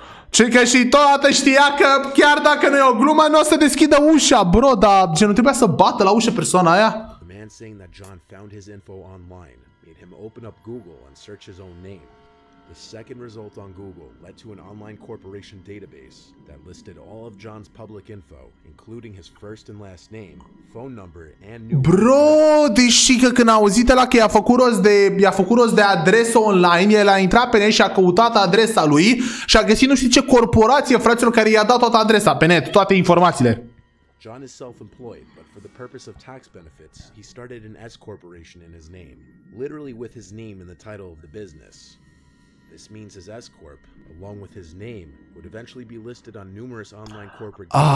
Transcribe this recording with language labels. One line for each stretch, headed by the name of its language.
Romanian: Ce că și toată știa că chiar dacă nu e o glumă, nu o să deschidă ușa, bro, dar gen, nu trebuia să bată la ușă persoana aia?
English: Saying that John found his info online made him open up Google and search his own name. The second result on Google led to an online corporation database that listed all of John's public info, including his first and last name, phone number and new.
Romanian: Bro, deși că când a auzit ăla că i-a făcut rost de adresă online, el a intrat pe net și a căutat adresa lui și a găsit nu știu ce corporație, fraților, care i-a dat toată adresa pe net, toate informațiile.
English: John is self-employed, but for the purpose of tax benefits, he started an S corporation in his name, literally with his name in the title of the business. This means his S corp, along with his name, would eventually be listed on numerous online corporate.